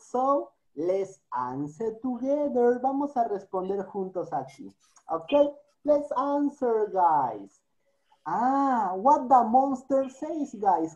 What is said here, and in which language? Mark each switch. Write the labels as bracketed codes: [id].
[en] So, let's answer together. [es] Vamos a responder juntos aquí. [en] Okay, let's answer, guys. Ah, what the monster says, guys.